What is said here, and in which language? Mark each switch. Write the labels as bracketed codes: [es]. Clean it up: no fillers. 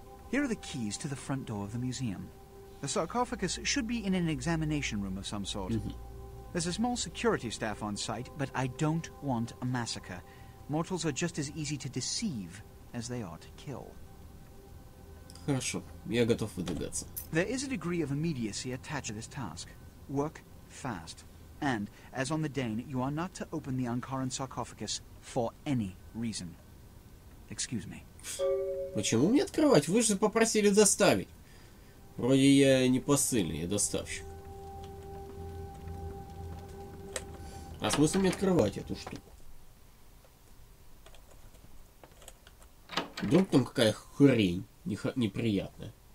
[en] Here are the keys to the front door of the museum. The sarcophagus should be in an examination room of some sort. Mm-hmm. There's a small security staff on site, but I don't want a massacre. Mortals are just as easy to deceive as they are to kill. [ru] Хорошо, я готов выдвигаться. [en] There is a degree of immediacy attached to this task. Work fast. And, as on the Dane, you are not to open the Ankaran sarcophagus for any reason. Excuse me. [ru] Почему мне открывать? Вы же попросили доставить. Вроде я не посыльный, я доставщик. А смысл мне открывать эту штуку? Вдруг там какая хрень неприятная?